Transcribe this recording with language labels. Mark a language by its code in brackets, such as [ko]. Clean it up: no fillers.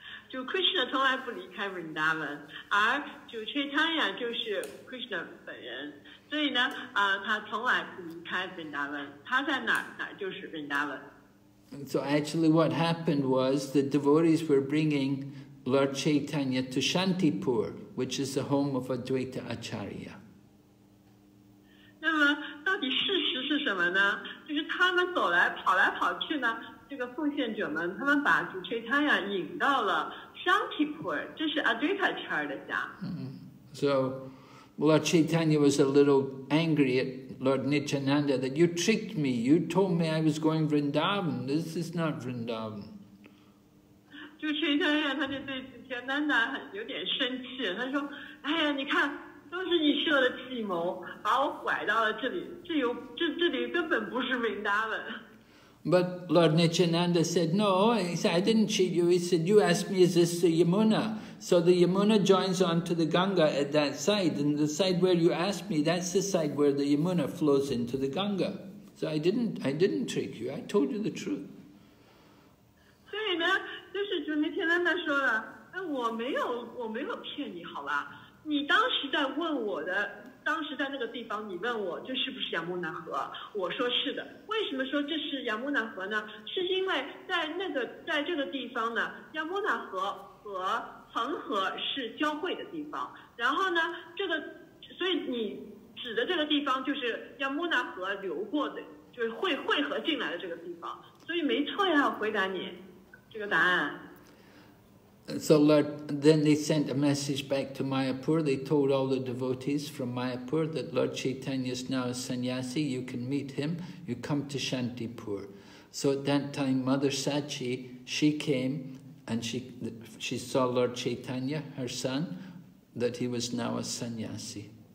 [zh] 就 Krishna 从来不离开 Vrindavan， 而就 Chaitanya 就是 Krishna 本人，所以呢，他从来不离开 Vrindavan， 他在哪儿哪儿就是 Vrindavan。 [en] So actually, what happened was the devotees were bringing Lord Chaitanya to Shantipur, which is the home of Advaita Acharya. [zh] 那么到底事实是什么呢？就是他们走来跑来跑去呢，这个奉献者们，他们把主 Chaitanya 引到了 Shantipur， 这是 Advaita Acharya 的家。 [en] So Lord Chaitanya was a little angry at Lord Nityananda that you tricked me. You told me I was going Vrindavan. This is not Vrindavan. [zh] 就 Chaitanya 他就对 Nityananda 有点生气，他说：“哎呀，你看，都是你设的计谋，把我拐到了这里。这里根本不是 Vrindavan。” [en] But Lord Nityananda said, "No." He said, "I didn't cheat you." He said, "You asked me, is this the Yamuna?" So the Yamuna joins onto the Ganga at that side, and the side where you asked me, that's the side where the Yamuna flows into the Ganga. So I didn't trick you. I told you the truth. [zh] 所以呢，就是主尼天南他说了，哎，我没有骗你，好吧？你当时在问我的。当时在那个地方你问我这是不是亚穆纳河，我说是的。为什么说这是亚穆纳河呢？是因为在这个地方呢，亚穆纳河和恒河是交汇的地方，然后呢，这个所以你指的这个地方就是亚穆纳河流过的，就是汇合进来的这个地方，所以没错呀，回答你这个答案。 [en] So Lord, then they sent a message back to Mayapur. They told all the devotees from Mayapur that Lord Chaitanya is now a sannyasi. You can meet him. You come to Shantipur. So at that time, Mother Sachi, she came and she saw Lord Chaitanya, her son, that he was now a sannyasi.